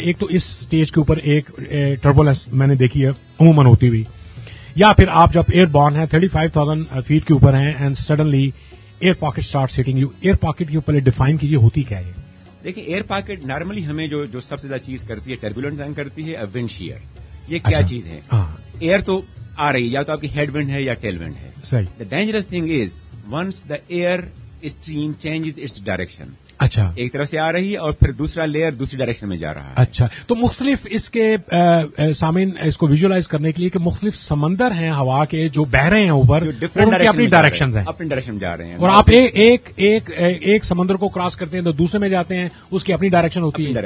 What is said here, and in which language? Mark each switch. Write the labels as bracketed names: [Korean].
[Urdu] ایک تو اس اسٹیج کے اوپر ایک ٹربولنس میں نے دیکھی ہے عموماً ہوتی ہوئی, یا پھر آپ جب ایئر بورن ہیں 35,000 فیٹ کے اوپر ہیں, [English] And suddenly air pocket start setting you. [Urdu] Year pocket کے اوپر ڈیفائن کیجیے, ہوتی کیا ہے؟ دیکھیں ایئر پاکٹ نارملی ہمیں جو سب سے زیادہ چیز کرتی ہے ٹربولنٹ زنگ کرتی ہے ونڈ شیئر. یہ کیا چیز ہے؟ ایئر تو آ رہی ہے یا تو آپ کی ہیڈ ونڈ ہے یا ٹیل ونڈ ہے. صحیح. [English] The dangerous thing is once the air stream changes its direction. [Urdu] اچھا ایک طرف سے آ رہی اور پھر دوسرا لیئر دوسری ڈائریکشن میں جا رہا ہے. اچھا تو مختلف اس کے سامعین اس کو ویژولاز کرنے کے لیے کہ مختلف سمندر ہیں ہوا کے جو بہ رہے ہیں اوپر اپنی ڈائریکشن ہیں اپنی ڈائریکشن جا رہے ہیں اور آپ ایک سمندر کو کراس کرتے ہیں تو دوسرے میں جاتے ہیں اس کی اپنی ڈائریکشن ہوتی ہے